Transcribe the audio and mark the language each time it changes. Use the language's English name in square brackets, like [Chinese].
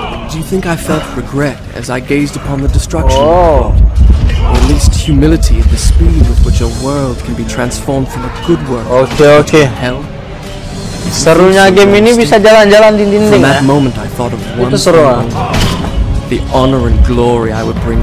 [English] I think I felt regret as I gazed upon the destruction of the world. At least humility at the speed with which a world can be transformed from a good world. Okay. Hell. [Indonesian] Serunya game ini bisa jalan-jalan di dinding. [English] From that moment I thought of one thing. The honor and glory I would bring.